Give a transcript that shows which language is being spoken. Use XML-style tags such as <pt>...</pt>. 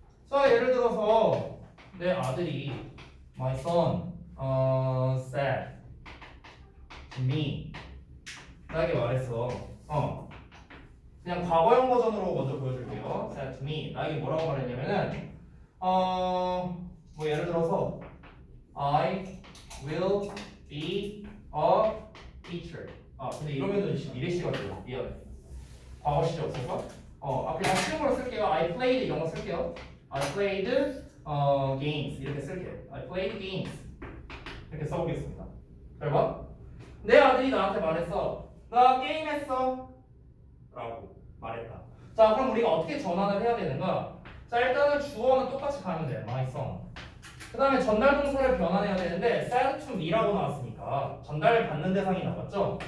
<ko>자, 예를 들어서 내 아들이 my son said to me 나에게 말했어. 그냥 과거형 버전으로 먼저 보여줄게요.</ko> <en>said to me 나에게 뭐라고 말했냐면은 뭐 예를 들어서 I will be a teacher.</en> <ko>아 근데 이러면 미래시가 돼요. 미안해. 과거 시제 없을까? 아 그냥 쓰는 걸 쓸게요. I played 이런 거 쓸게요.</ko> <en>I played games 이렇게 쓸게요. I played games 이렇게 써보겠습니다.</en> <ko>잘 봐. 내 아들이 나한테 말했어. 나 게임했어 라고 말했다. 자 그럼 우리가 어떻게 전환을 해야 되는가? 자 일단은 주어는 똑같이 가면 돼.</ko> <en>My son.</en> <ko>그 다음에 전달동사를 변환해야 되는데 sent to me 라고 나왔으니까 전달을 받는 대상이 나왔죠.</ko>